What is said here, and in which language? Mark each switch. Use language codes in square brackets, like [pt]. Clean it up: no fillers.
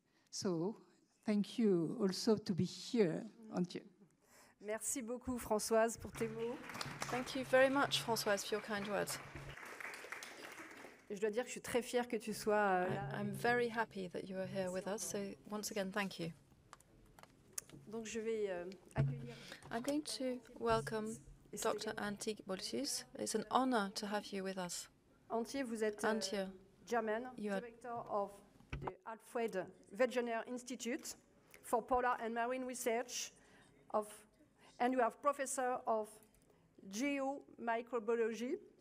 [en] So, thank you also to be here, Antje. [fr] Merci beaucoup, Françoise, pour tes mots. [en] Thank you very much, Françoise, for your kind words. [fr] Je dois dire que je suis très fière que tu sois là. [en] I'm very happy that you are here with us, so once again, thank you. [fr] Donc je vais accueillir. [en] I'm going to welcome Dr. Antje Boetius. It's an honor to have you with us. Antje, [fr] vous êtes [en] German, director of the Alfred Wegener Institute for Polar and Marine Research, and you are professor of geomicrobiology.